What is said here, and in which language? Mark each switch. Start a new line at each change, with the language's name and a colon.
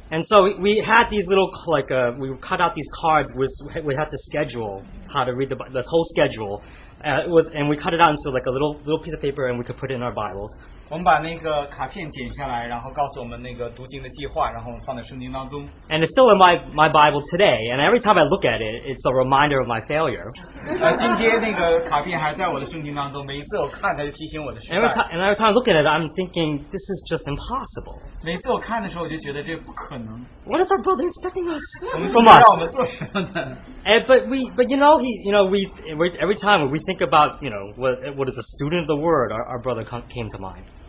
English: And so we had these little, like, we cut out these cards. We had to schedule how to read the whole schedule. And we cut it out into like a little piece of paper, and we could put it in our Bibles.
Chinese: 我们把那个卡片剪下来，然后告诉我们那个读经的计划，然后放在圣经当中。
English: And it's still in my Bible today, and every time I look at it, it's a reminder of my failure.
Chinese: 今天那个卡片还在我的圣经当中，每一次我看它就提醒我的失败。
English: And every time I look at it, I'm thinking this is just impossible.
Chinese: 每次我看的时候，我就觉得这不可能。
English: What is our brother expecting us?
Chinese: 我们不知道我们做什么的。
English: But you know, every time we think about, you know, what is a student of the word, our brother came to mind.